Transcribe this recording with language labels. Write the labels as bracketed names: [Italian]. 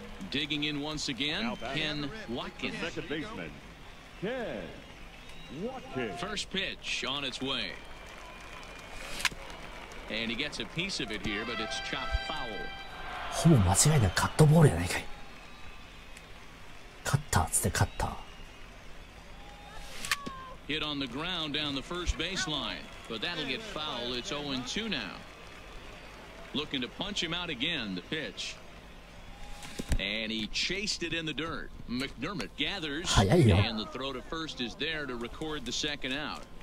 [English] Digging in once again, Ken Watkins. Second baseman, Ken Watkins. First pitch on its way. And he gets a piece of it here, but it's chopped foul. [Japanese] ほぼ間違いないカットボールやないかい。カッターつってカッター。 [English] Hit on the ground down the first baseline, but that'll get foul. It's 0-2 now. Looking to punch him out again, the pitch. And he chased it in the dirt. McDermott gathers, and the throw to first is there to record the second out.